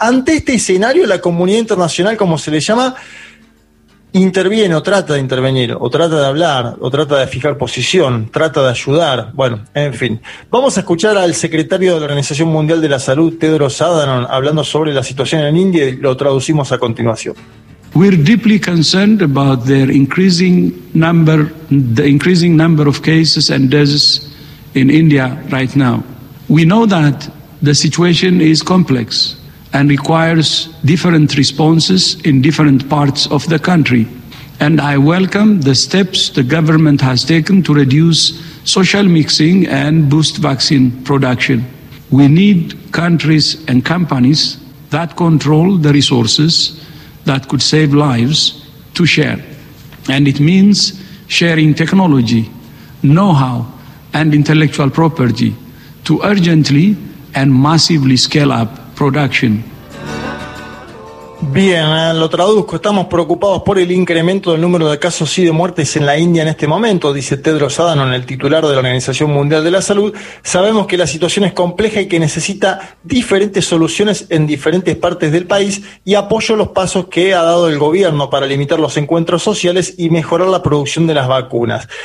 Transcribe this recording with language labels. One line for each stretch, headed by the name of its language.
Spanish: Ante este escenario, la comunidad internacional, como se le llama, interviene o trata de intervenir, o trata de hablar, o trata de fijar posición, trata de ayudar. Bueno, en fin. Vamos a escuchar al secretario de la Organización Mundial de la Salud, Tedros Adhanom, hablando sobre la situación en India y lo traducimos a continuación.
English: We're deeply concerned about their increasing number of cases and deaths in India right now. We know that the situation is complex and requires different responses in different parts of the country. And I welcome the steps the government has taken to reduce social mixing and boost vaccine production. We need countries and companies that control the resources that could save lives to share. And it means sharing technology, know-how, and intellectual property to urgently and massively scale up production.
Spanish: Bien, lo traduzco. Estamos preocupados por el incremento del número de casos y de muertes en la India en este momento, dice Tedros Adhanom, el titular de la Organización Mundial de la Salud. Sabemos que la situación es compleja y que necesita diferentes soluciones en diferentes partes del país y apoyo los pasos que ha dado el gobierno para limitar los encuentros sociales y mejorar la producción de las vacunas.